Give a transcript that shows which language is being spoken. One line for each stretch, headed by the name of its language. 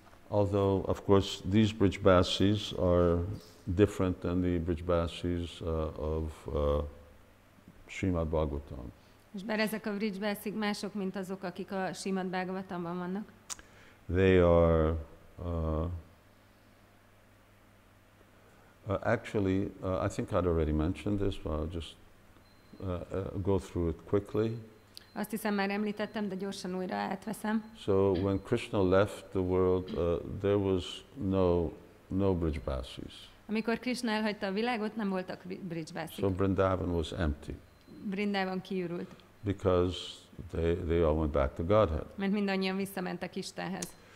English: Although, of course, these brijbasis are different than the brijbasis of Srimad Bhagavatam.
Hungarian: És bár ezek a brijbasik mások, mint azok, akik a Srimad Bhagavatamban vannak.
English: They are actually, I think I'd already mentioned this, but I'll just go through it quickly.
Hungarian: Azt hiszem, már említettem, de gyorsan újra átveszem.
English: So when Krishna left the world, there was no brijbasis.
Hungarian: Amikor Krishna elhagyta a világot, nem voltak brijbasik.
English: So Vrindavan was empty.
Hungarian: Vrindavan kiürült.
English: Because they all went back to Godhead.
Hungarian: Mert mindannyian visszamentek Istenhez.